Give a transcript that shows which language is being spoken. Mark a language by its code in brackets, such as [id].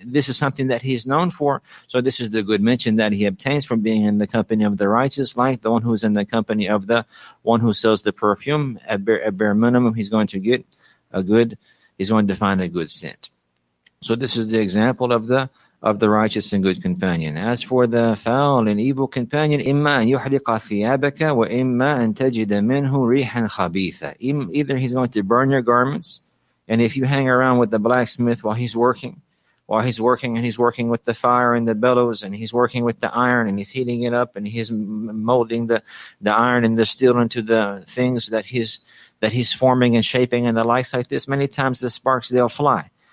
[en] This is something that he's known for. So this is the good mention that he obtains from being in the company of the righteous, like the one who's in the company of the one who sells the perfume. At bare minimum, he's going to find a good scent. So this is the example of the righteous and good companion. As for the foul and evil companion, [ar] إِمَّا أَن يُحْرِقَ ثِيَابَكَ وَإِمَّا أَن تَجِدَ مِنْهُ رِيحًا خَبِيثًا. [en] Either he's going to burn your garments, and if you hang around with the blacksmith while he's working and he's working with the fire and the bellows and he's working with the iron and he's heating it up and he's molding the iron and the steel into the things that he's forming and shaping and the likes like this, many times the sparks, they'll fly.